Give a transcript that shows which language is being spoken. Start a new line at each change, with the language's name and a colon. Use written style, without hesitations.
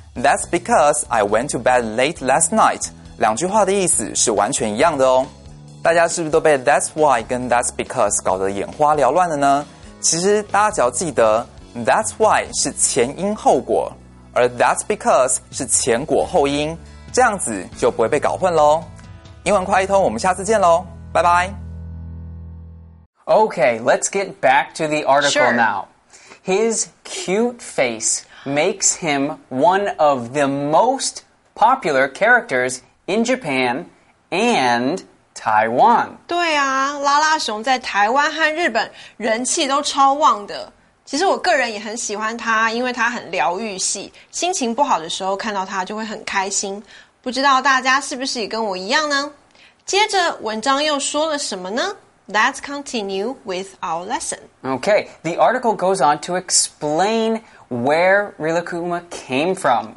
English: That's because I went to bed late last night.
Chinese: 两句话的意思是完全一样的哦。大家是不是都被 that's why 跟 that's because 搞得眼花缭乱了呢？其实大家只要记得 that's why 是前因后果，而 that's because 是前果后因，这样子就不会被搞混咯。英文快译通，我们下次见咯，拜拜。
English: Okay, let's get back to the article、 sure. now. His cute face... makes him one of the most popular characters in Japan and Taiwan.
Chinese: 对啊，拉拉熊在台湾和日本人气都超旺的。其实我个人也很喜欢他，因为他很疗愈系，心情不好的时候看到他就会很开心。不知道大家是不是也跟我一样呢？接着文章又说了什么呢？
English: Let's continue with our lesson. Okay, the article goes on to explain where Rilakkuma came from.